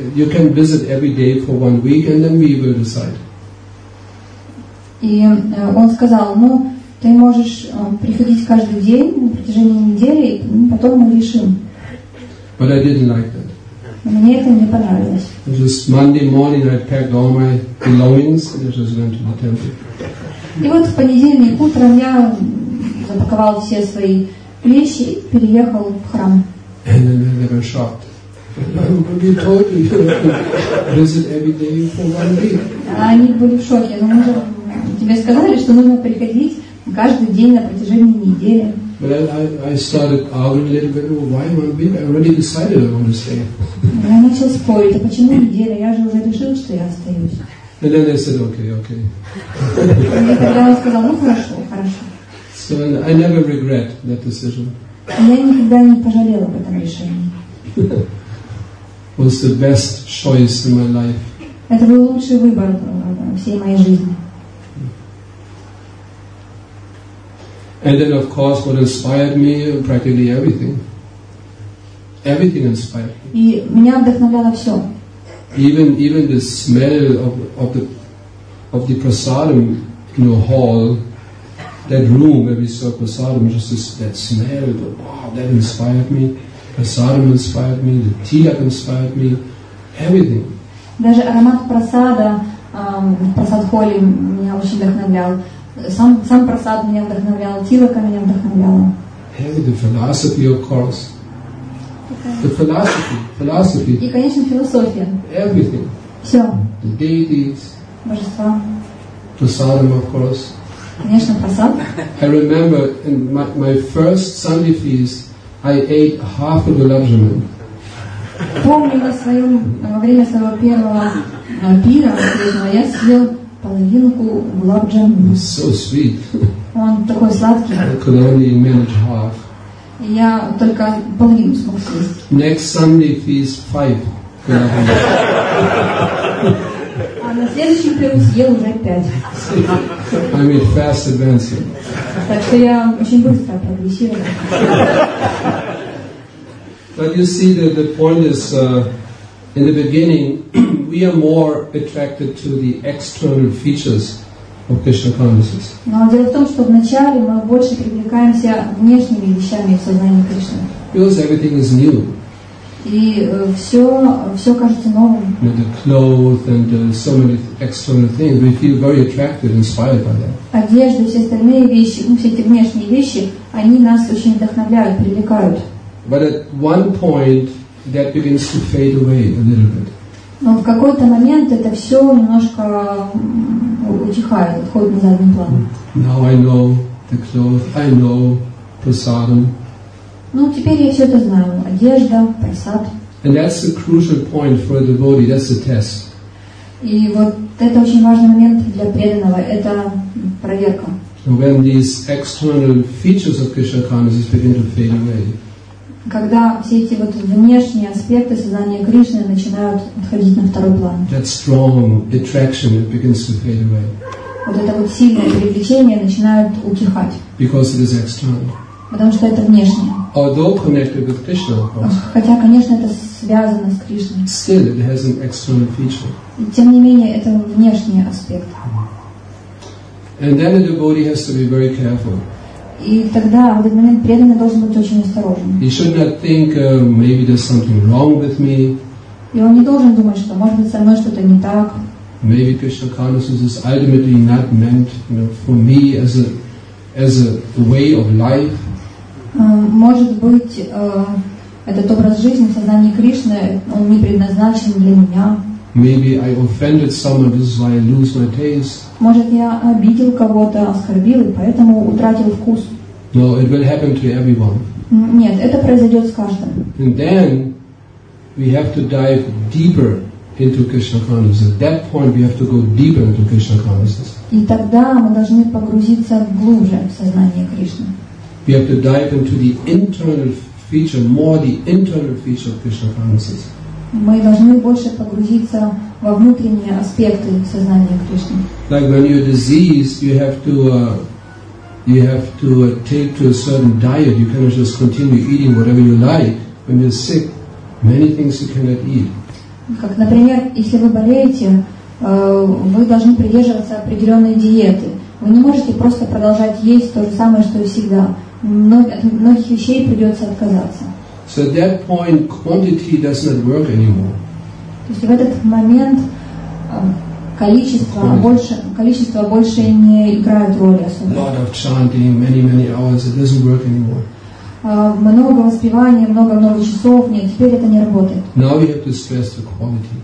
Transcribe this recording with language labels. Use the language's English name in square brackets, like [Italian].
[English] You can visit every day for 1 week, and then we will decide. [Russian] И он сказал, ну ты можешь приходить каждый день на протяжении недели, и потом мы решим. [English] But I didn't like that. [Russian] Мне это не понравилось. [English] Just Monday morning, I packed all my belongings and I just went to the temple. [Russian] И вот в понедельник утром я запаковал все свои вещи и переехал в храм. [English] And then they were shocked. But you told me you visit every day for 1 week. [Russian] Они были в шоке. Но мы же тебе сказали, что нужно приходить каждый день на протяжении недели. [English] But I started arguing a little bit. Well, why 1 week? I already decided I want to stay. [Russian] Я начал спорить. А почему неделя? Я же уже решил, что я остаюсь. [English] And then they said, okay. [Russian] И тогда он сказал, ну хорошо. [English] So I never regret that decision. [Russian] Я никогда не пожалел об этом решении. [English] Was the best choice in my life. [Russian] Это был лучший выбор всей моей жизни. [English] And then, of course, what inspired me, practically everything. Everything inspired me. [Russian] И меня вдохновляло все. [English] Even the smell of the prasadam, hall, that room where we saw prasadam, just this, that smell, but, wow, that inspired me. Prasadam inspired me, the tilak inspired me, everything. [Russian] Даже аромат прасада, прасад холи меня очень вдохновлял. Сам прасад меня вдохновлял, тилака меня вдохновляла. [English] Hey, the philosophy, of course. The philosophy, philosophy. [Russian] И, конечно, философия. [English] Everything. [Russian] Все. [English] The deities. [Russian] Божества. [English] Prasadam, of course. [Russian] Конечно, прасад. [English] I remember in my first Sunday feast, I ate half a gulab jamun. [Russian] Помню, во время своего первого пира, я съел половинку gulab jamun. [English] It's so sweet. [Russian] Он такой сладкий. [English] I could only manage half. [Russian] Я только половину смог съесть. [English] Next Sunday feast, 5 gulab jamun. [Russian] А на следующий пир съел уже 5. [English] I mean fast advancing. [Russian] Так что я очень быстро прогрессировал. [English] But you see, the point is, in the beginning, we are more attracted to the external features of Krishna consciousness. [Russian] Но дело в том, что вначале мы больше привлекаемся внешними вещами в сознании Кришны. [English] Because everything is new. [Russian] И все кажется новым. [English] The clothes and so many external things, we feel very attracted, inspired by that. [Russian] Одежда, все остальные вещи, все эти внешние вещи, они нас очень вдохновляют, привлекают. [English] But at one point, that begins to fade away a little bit. [Russian] Но в какой-то момент это все немножко утихает, отходит на задний план. [English] Now I know the clothes. I know prasadam. [Russian] Ну теперь я все это знаю. Одежда, прасад. [English] And that's the crucial point for a devotee. That's the test. [Russian] И вот это очень важный момент для преданного. Это проверка. [English] When these external features of Krishna consciousness begin to fade away. [Russian] Когда все эти вот внешние аспекты сознания Кришны начинают отходить на второй план. [English] That strong attraction begins to fade away. [Russian] Вот это вот сильное привлечение начинает утихать. [English] Because it is external. [Russian] Потому что это внешнее. [English] Although connected with Krishna, of course. [Russian] Хотя, конечно, это связано с Кришной. [English] Still, it has an external feature. [Russian] И, тем не менее, это внешний аспект. [English] And then the devotee has to be very careful. [Russian] И тогда в этот момент преданный должен быть очень осторожен. [English] He should not think maybe there's something wrong with me. [Russian] И он не должен думать, что может быть со мной что-то не так. [English] Maybe Krishna consciousness is ultimately not meant, you know, for me as a way of life. [Russian] Может быть, этот образ жизни в сознании Кришны он не предназначен для меня. [English] Maybe I offended someone, this is why I lose my taste. [Russian] Может, я обидел кого-то, оскорбил, и поэтому утратил вкус. [English] No, it will happen to everyone. [Russian] Нет, это произойдет с каждым. [English] And then we have to dive deeper into Krishna consciousness. At that point, we have to go deeper into Krishna consciousness. [Russian] И тогда мы должны погрузиться глубже в сознание Кришны. [English] We have to dive into the internal feature, more the internal feature of Krishna consciousness. [Russian] Мы должны больше погрузиться во внутренние аспекты сознания Кришны. [English] Like when you're diseased, you have to take to a certain diet. You cannot just continue eating whatever you like. When you're sick, many things you cannot eat. [Russian] Как, например, если вы болеете, вы должны придерживаться определенной диеты. Вы не можете просто продолжать есть то же самое, что и всегда. От многих вещей придется отказаться. [English] So at that point, quantity does not work anymore. [Russian] То есть в этот момент количество больше не играет роли особо. [English] Lot of chanting, many hours, it doesn't work anymore. [Russian] Много воспевания, много часов, нет, теперь это не работает. [English] Now we have to stress the quality.